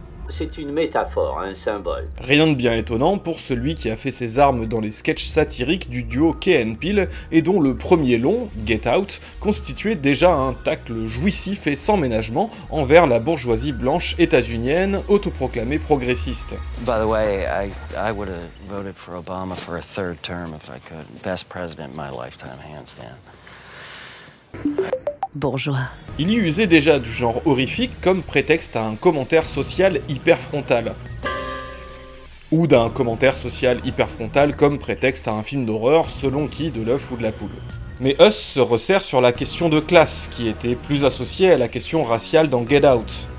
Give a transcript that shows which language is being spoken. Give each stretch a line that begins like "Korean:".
French: C'est une métaphore, un symbole. Rien de bien étonnant pour celui qui a fait ses armes dans les sketchs satiriques du duo Key & Peele et dont le premier long, Get Out, constituait déjà un tacle jouissif et sans ménagement envers la bourgeoisie blanche états-unienne autoproclamée progressiste.
English: By the way, I would have voted for Obama for a third term if I could. Best president in my lifetime, hands down.
French: Bourgeois. Il y usait déjà du genre horrifique comme prétexte à un commentaire social hyper frontal. Ou d'un commentaire social hyper frontal comme prétexte à un film d'horreur selon qui, de l'œuf ou de la poule. Mais Us se resserre sur la question de classe, qui était plus associée à la question raciale dans Get Out.